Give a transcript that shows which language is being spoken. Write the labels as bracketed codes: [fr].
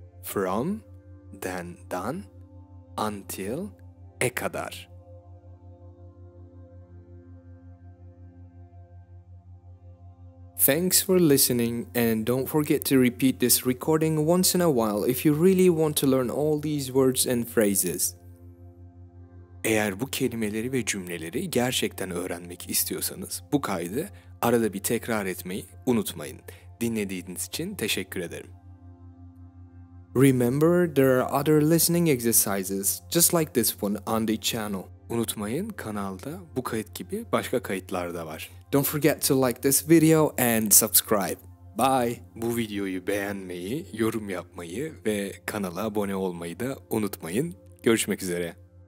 [en] From, then, done, until, [tr] e kadar. [en] Thanks for listening and don't forget to repeat this recording once in a while if you really want to learn all these words and phrases. [tr] Eğer bu kelimeleri ve cümleleri gerçekten öğrenmek istiyorsanız bu kaydı arada bir tekrar etmeyi unutmayın. Dinlediğiniz için teşekkür ederim. [en] Remember, there are other listening exercises just like this one on the channel. [tr] Unutmayın, kanalda bu kayıt gibi başka kayıtlar da var. [en] Don't forget to like this video and subscribe. Bye. [tr] Bu videoyu beğenmeyi, yorum yapmayı ve kanala abone olmayı da unutmayın. Görüşmek üzere.